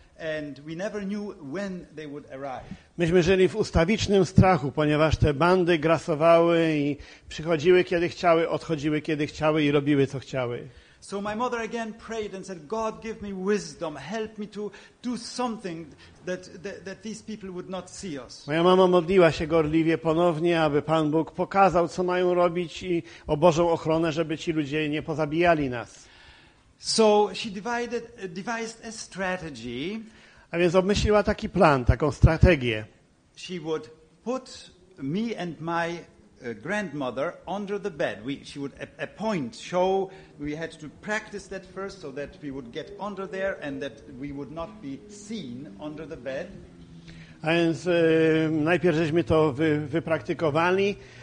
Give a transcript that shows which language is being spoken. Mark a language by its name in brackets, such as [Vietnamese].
[English] And we never knew when they would arrive. [Polish] Myśmy żyli w ustawicznym strachu, ponieważ te bandy grasowały i przychodziły kiedy chciały, odchodziły kiedy chciały i robiły co chciały. [English] So my mother again prayed and said, God, give me wisdom, help me to do something that these people would not see us. [Polish] Moja mama modliła się gorliwie ponownie, aby Pan Bóg pokazał, co mają robić i o Bożą ochronę, żeby ci ludzie nie pozabijali nas. [English] So she devised a strategy. [Polish] A więc obmyśliła taki plan, taką strategię. [English] She would put me and my grandmother under the bed. She would appoint, show. We had to practice that first so that we would get under there and that we would not be seen under the bed. [Polish] A więc najpierw żeśmy to wypraktykowali.